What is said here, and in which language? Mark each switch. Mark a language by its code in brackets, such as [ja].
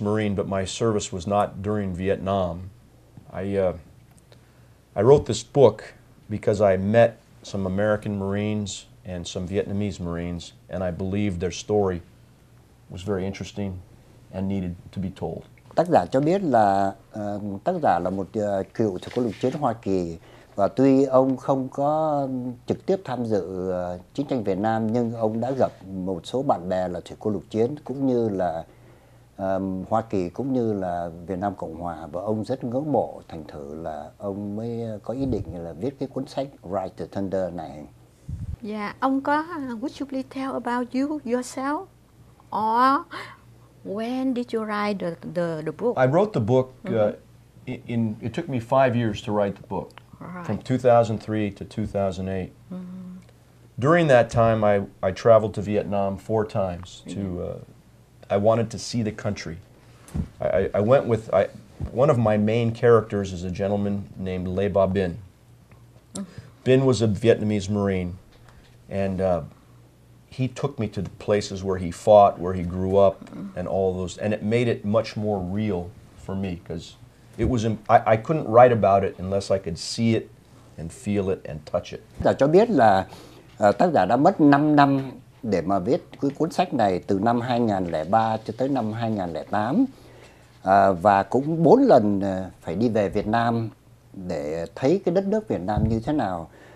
[en] Marine, but my service was not during Vietnam. I wrote this book because I met some American Marines and some Vietnamese Marines, and I believed their story was very interesting and needed to be told. [vi] Tác giả cho biết là tác giả là một cựu thuộc quân lục chiến Hoa Kỳ, và tuy ông không có trực tiếp tham dự chiến tranh Việt Nam, nhưng ông đã gặp một số bạn bè là thuộc quân lục chiến cũng như là Hoa Kỳ cũng như là Việt Nam Cộng Hòa, và ông rất ngưỡng mộ, thành thử là ông mới có ý định là viết cái cuốn sách Ride the Thunder này. [en] Yeah, [vi] ông có [en] would you please tell about you yourself or when did you write the book? I wrote the book it took me 5 years to write the book, right, from 2003 to 2008. During that time I traveled to Vietnam 4 times to I wanted to see the country. I went with one of my main characters is a gentleman named Le Ba Binh. Binh was a Vietnamese Marine, and he took me to the places where he fought, where he grew up, and all those, and it made it much more real for me, because it was I couldn't write about it unless I could see it and feel it and touch it. [vi] Tác giả cho biết là tác giả đã mất 5 năm để mà viết cái cuốn sách này, từ năm 2003 cho tới năm 2008, và cũng 4 lần phải đi về Việt Nam để thấy cái đất nước Việt Nam như thế nào.